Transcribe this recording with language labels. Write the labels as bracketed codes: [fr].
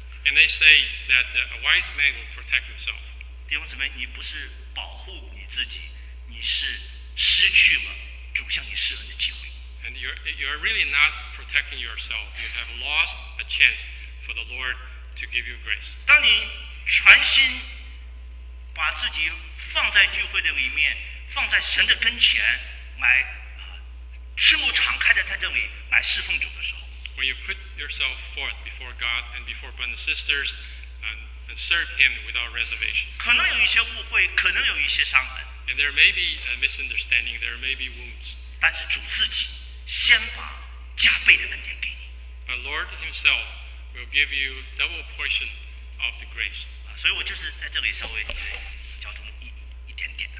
[en] And they say that a wise man will protect himself. [zh] 弟兄姊妹，你不是保护你自己，你是失去了主向你施恩的机会。 [en] And you're really not protecting yourself. You have lost a chance for the Lord to give you grace. [zh] 当你全心把自己放在聚会的里面，放在神的跟前，来赤目敞开的在这里来侍奉主的时候。 [en] When you put yourself forth before God and before brothers and sisters and serve Him without reservation. [zh] 可能有一些误会，可能有一些伤痕。 [en] And there may be a misunderstanding, there may be wounds. [zh] 但是主自己先把加倍的恩典给你。 [en] But Lord Himself will give you double portion of the grace. [zh] 所以我就是在这里稍微交通一点点。